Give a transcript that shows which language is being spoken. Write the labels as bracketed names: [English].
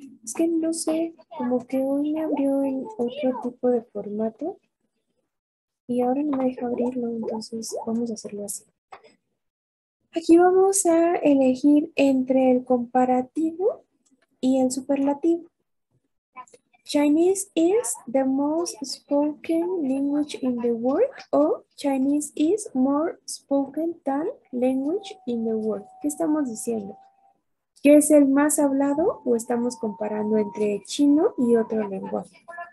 [Spanish] Es que no sé, como que hoy me abrió en otro tipo de formato y ahora no me deja abrirlo, entonces vamos a hacerlo así. Aquí vamos a elegir entre el comparativo y el superlativo. [English] Chinese is the most spoken language in the world o Chinese is more spoken than language in the world. [Spanish] ¿Qué estamos diciendo? ¿Qué es el más hablado o estamos comparando entre chino y otro lenguaje?